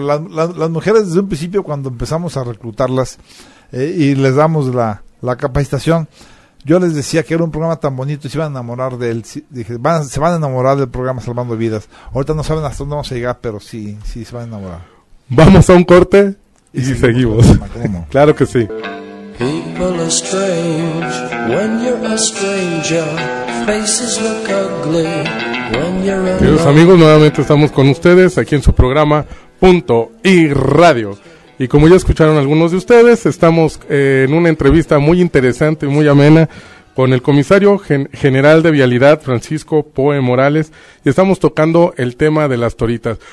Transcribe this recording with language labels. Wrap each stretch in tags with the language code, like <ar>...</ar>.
<es>Las mujeres, desde un principio, cuando empezamos a reclutarlas y les damos la capacitación, yo les decía que era un programa tan bonito y se iban a enamorar de él. Dije, se van a enamorar del programa Salvando Vidas. Ahorita no saben hasta dónde vamos a llegar, pero sí se van a enamorar. Vamos a un corte y seguimos. Claro que sí.</es> <en>People are strange when you're a stranger. Faces look ugly when you're alone.</en> <es>Queridos amigos, nuevamente estamos con ustedes aquí en su programa Punto y Radio. Y como ya escucharon algunos de ustedes, estamos en una entrevista muy interesante y muy amena con el comisario general de Vialidad, Francisco Poe Morales, y estamos tocando el tema de las toritas.</es>